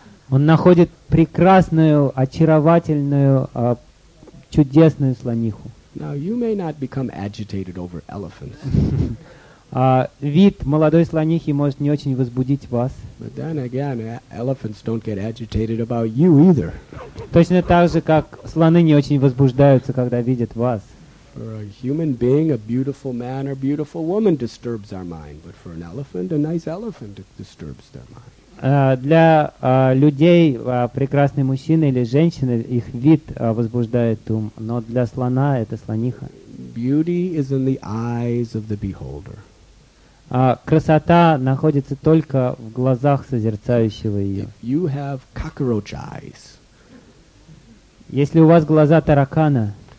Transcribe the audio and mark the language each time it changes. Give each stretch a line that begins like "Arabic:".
Russian: Он находит прекрасную, очаровательную, чудесную слониху.
English: Now you may not become agitated over elephants.
Russian: Вид молодой слонихи может не очень возбудить вас.
English: But then again, elephants don't get agitated about you either.
Russian: Точно так же, как слоны не очень возбуждаются, когда видят вас.
English: For a human being, a beautiful man or beautiful woman disturbs our mind, but for an elephant, a nice elephant disturbs their mind.
Russian: Для людей прекрасный мужчина или женщина их вид возбуждает ум, но для слона это слониха.
English: Beauty is in the eyes of the beholder.
Russian: Красота находится только в глазах созерцающего ее.
English: If you have cockroach eyes,
Russian: если у вас глаза таракана,